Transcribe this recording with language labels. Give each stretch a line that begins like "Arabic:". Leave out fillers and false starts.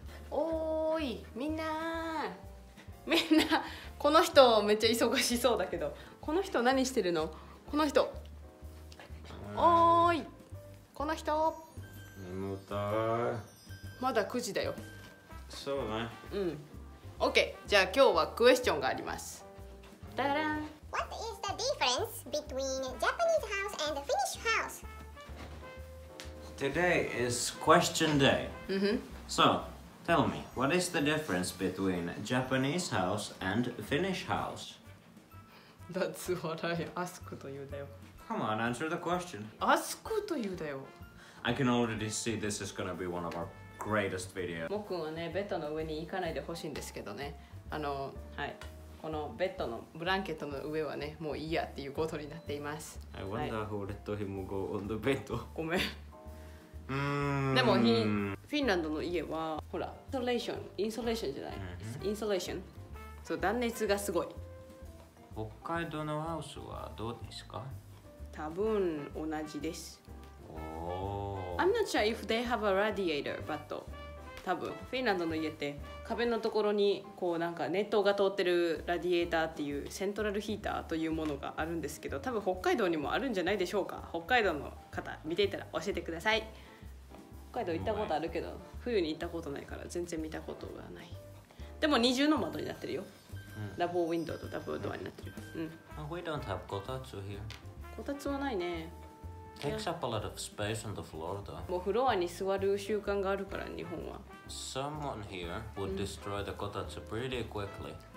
Japanese: おーい、みんなみんな、この人めっちゃ忙しそうだけど、この人何してるの？この人、おーい、この人眠たい。まだ9時だよ。そうね、うん、OK。じゃあ今日はクエスチョンがあります。ダラン、
English: What is the difference between Japanese house and Finnish house? Today is question day. So, tell me, what is the difference between Japanese house and Finnish house? That's what I ask to you, Dayo. Come on, answer the question. Ask to you, Dayo. I can already see this is gonna be one of our greatest videos.
Japanese: もくんはね、ベッドの上に行かないでほしいんですけどね。はい。このベッドのブランケットの上はね、もういいやっていうことになっています。
English: I wonder who let him go on the bed.
Japanese: ごめん。でもフィンランドの家はほら、インソレーションじゃない、インソレーション、そう、断熱がすごい。北海道のハウスはどうですか？多分同じです。
English: Oh. I'm not sure if they have a radiator, but
Japanese: 多分フィンランドの家って壁のところにこうなんか熱湯が通ってるラディエーターっていうセントラルヒーターというものがあるんですけど、多分北海道にもあるんじゃないでしょうか。北海道の方見ていたら教えてください。北海道行ったことあるけど、冬に行ったことないから全然見たことがない。でも二重の窓になってるよ、ダブルウィンドウとダブルドアになってる。
English: We don't have こたつ here。
Japanese: こたつはないね。
English: Takes up a lot of space on the floor, though.
Japanese: もうフロアに座る習慣があるから、日本は。
English: Someone here would destroy the kotatsu pretty quickly.